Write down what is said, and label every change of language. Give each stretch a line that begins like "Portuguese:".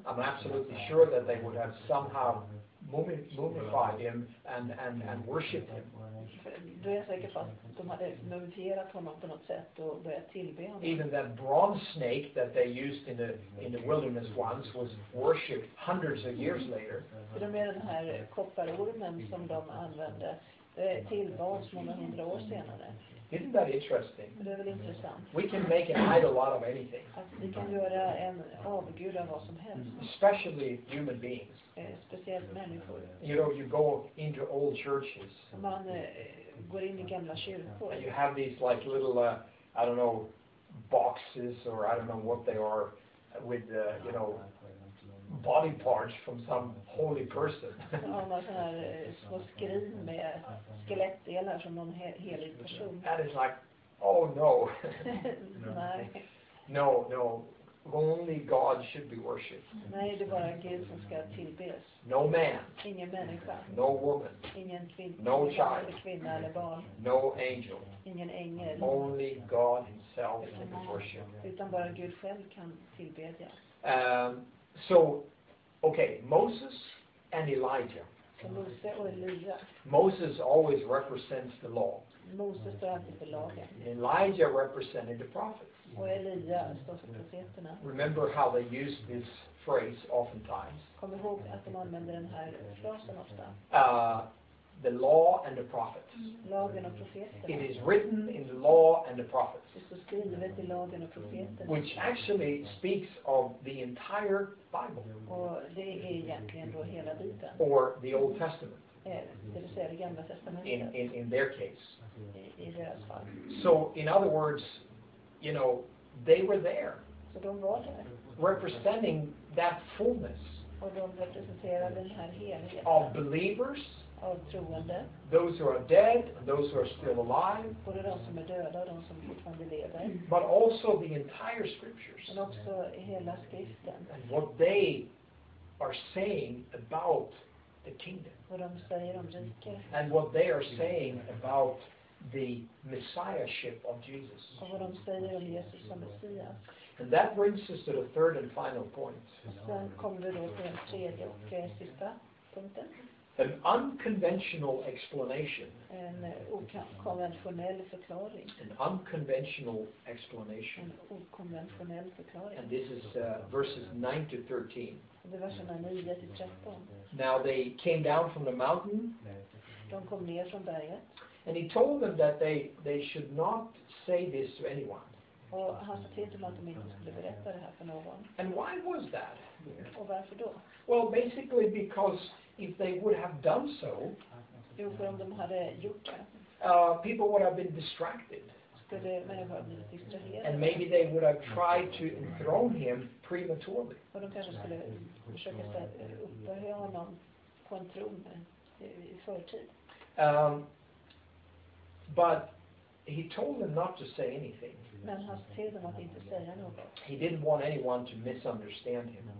English: I'm absolutely sure that they would have somehow mumified him and worshipped him.
Swedish: Då är jag säker på att de hade mumifierat honom på något sätt och börjat tillbe honom.
English: Even that bronze snake that they used in the wilderness once was worshipped hundreds of years later.
Swedish: För de med den här kopparormen som de använde tillbads många hundra år senare.
English: Isn't that interesting?
Swedish: Det är väl intressant.
English: We can make an idol out of anything.
Swedish: Att vi kan göra en avgud av vad som helst.
English: Especially human beings.
Swedish: Speciellt människor.
English: You know, you go into old churches.
Swedish: Man går in i gamla kyrkor.
English: You have these like little, I don't know, boxes or I don't know what they are with, you know, body parts from some holy person.
Swedish: Ja, så här små skrin med skelettdelar från någon helig person.
English: That is like, oh no.
Swedish: Nej.
English: No. Only God should be worshipped.
Swedish: Nej, det bara Gud som ska tillbes.
English: No man.
Swedish: Ingen människa.
English: No woman.
Swedish: Ingen kvinna.
English: No child.
Swedish: Ingen kvinna eller barn.
English: No angel.
Swedish: Ingen ängel.
English: Only God himself can be worshipped.
Swedish: Utan bara Gud själv kan tillbedjas.
English: So, okay, Moses and Elijah.
Swedish: Så Moses och Elia.
English: Moses always represents the law.
Swedish: Moses står alltid för lagen.
English: Elijah represented the prophets.
Swedish: Och Elia står för profeterna.
English: Remember how they used this phrase oftentimes.
Swedish: Kom ihåg att de använder den här frasen ofta.
English: The law and the prophets.
Swedish: Lagen och profeterna.
English: It is written in the law and the prophets.
Swedish: Det står skrivet i lagen och profeterna.
English: Which actually speaks of the entire Bible.
Swedish: Och det är egentligen då hela Bibeln.
English: Or the Old Testament.
Swedish: Det vill säga det gamla testamentet.
English: In their case.
Swedish: I deras fall.
English: So in other words, you know, they were there.
Swedish: Så de var där.
English: Representing that fullness.
Swedish: Och de representerar den här helheten.
English: Of believers.
Swedish: Av troende.
English: Those who are dead, those who are still alive.
Swedish: Både de som är döda och de som fortfarande lever.
English: But also the entire scriptures.
Swedish: Men också hela skriften.
English: And what they are saying about the kingdom.
Swedish: Vad de säger om riket.
English: And what they are saying about the messiahship of Jesus.
Swedish: Och vad de säger om Jesus som messias.
English: And that brings us to the third and final point.
Swedish: Sen kommer vi då till den tredje och sista punkten.
English: An unconventional explanation.
Swedish: En okonventionell förklaring.
English: An unconventional explanation.
Swedish: En okonventionell förklaring.
English: And this is verses 9 to 13.
Swedish: Det var verserna 9 till 13.
English: Now they came down from the mountain.
Swedish: De kom ner från berget.
English: And he told them that they should not say this to anyone.
Swedish: Och han sa till dem att de inte skulle berätta det här för någon.
English: And why was that?
Swedish: Och varför då?
English: Well, basically because if they would have done so,
Swedish: jo, för om de hade gjort det,
English: people would have been distracted.
Swedish: Skulle människor ha blivit distraherade.
English: And maybe they would have tried to enthrone him prematurely.
Swedish: Och de kanske skulle försöka upphöja honom på en tron i förtid.
English: But he told them not to say anything.
Swedish: Men han sa till dem att inte säga något.
English: He didn't want anyone to misunderstand him.